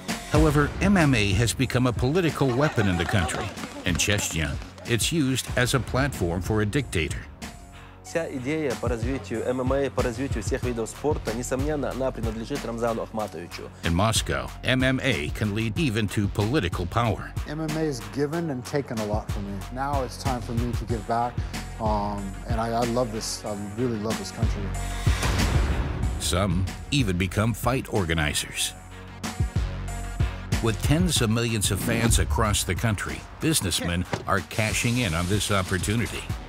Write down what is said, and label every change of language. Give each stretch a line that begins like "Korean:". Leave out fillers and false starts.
English: However, MMA has become a political weapon in the country. In Chechnya, it's used as a platform for a dictator.
Russian: вся идея по развитию ММА, по развитию всех видов спорта, несомненно, она принадлежит Рамзану Ахматовичу.
English: In Moscow, MMA can lead even to political power. MMA has given and taken a lot from me. Now it's time for me to give back. And I love this. I really love this country. Some even become fight organizers. With tens of millions of fans across the country, businessmen are cashing in on this opportunity.